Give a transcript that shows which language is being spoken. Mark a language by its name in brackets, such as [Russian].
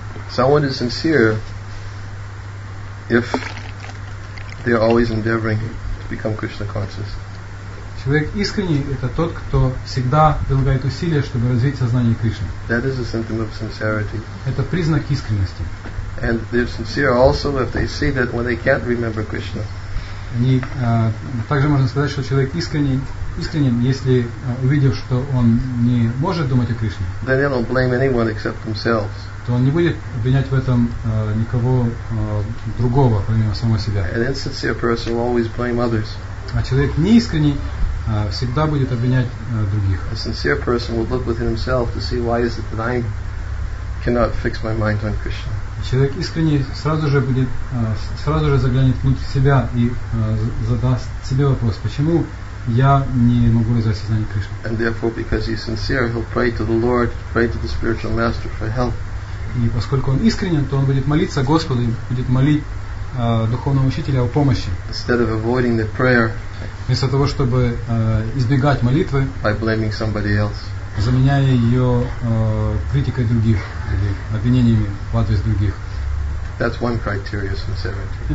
[English] Someone is sincere if they are always endeavoring to become Krishna conscious. [Russian] Человек искренний – это тот, кто всегда прилагает усилия, чтобы развить сознание Кришны. [English] That is a symptom of sincerity. [Russian] Это признак искренности. [English] And they're sincere also if they see that when they can't remember Krishna. [Russian] Они также можно сказать, что человек искренним, если увидев, что он не может думать о Кришне. [English] Then they don't blame anyone except themselves. [Russian] То он не будет обвинять в этом никого другого, помимо самого себя. [English] An insincere person will always blame others. [Russian] А человек неискренний всегда будет обвинять других. [English] A sincere person will look within himself to see why is it that I cannot fix my mind on Krishna. [Russian] Человек искренний сразу же заглянет внутрь себя и задаст себе вопрос, почему я не могу развивать сознание Кришны. [English] And therefore, because he's sincere, he'll pray to the Lord, pray to the spiritual master for help. [Russian] И поскольку он искренен, то он будет молиться Господу, будет молить духовного учителя о помощи. [English] Instead of avoiding the prayer, [Russian] вместо того, чтобы избегать молитвы, [English] by blaming somebody else. [Russian] Заменяя ее критикой других или обвинениями в адрес других. [English] That's one criteria of sincerity.